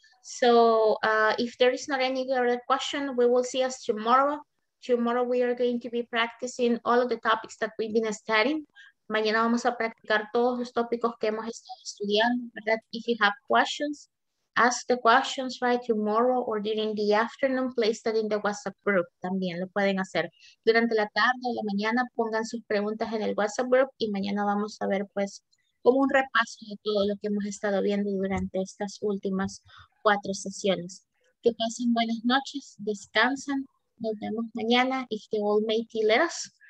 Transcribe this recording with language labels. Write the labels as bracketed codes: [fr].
[en] So, if there is not any other question, we will see us tomorrow. Tomorrow we are going to be practicing all of the topics that we've been studying. [es] Mañana vamos a practicar todos los tópicos que hemos estado estudiando, ¿verdad? [en] If you have questions, ask the questions right tomorrow or during the afternoon, place that in the WhatsApp group. [es] También lo pueden hacer. Durante la tarde o la mañana pongan sus preguntas en el WhatsApp group y mañana vamos a ver pues como un repaso de todo lo que hemos estado viendo durante estas últimas 4 sesiones. Que pasen buenas noches, descansen. Nos vemos mañana [en] if the Almighty let us.